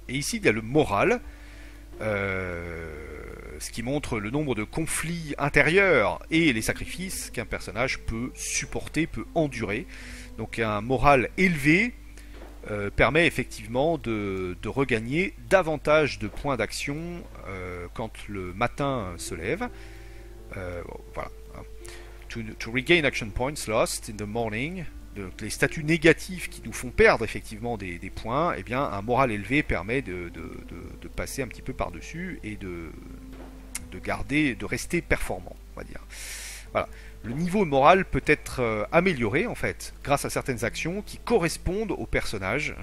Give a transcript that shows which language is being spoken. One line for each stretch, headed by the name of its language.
French: Et ici, il y a le moral, ce qui montre le nombre de conflits intérieurs et les sacrifices qu'un personnage peut supporter, peut endurer. Donc un moral élevé permet effectivement de regagner davantage de points d'action quand le matin se lève. Voilà.
English: To regain action points lost in the morning.
French: Donc les statuts négatifs qui nous font perdre effectivement des points, eh bien un moral élevé permet de passer un petit peu par-dessus et de garder, de rester performant, on va dire. Voilà. Le niveau moral peut être amélioré en fait grâce à certaines actions qui correspondent au personnage.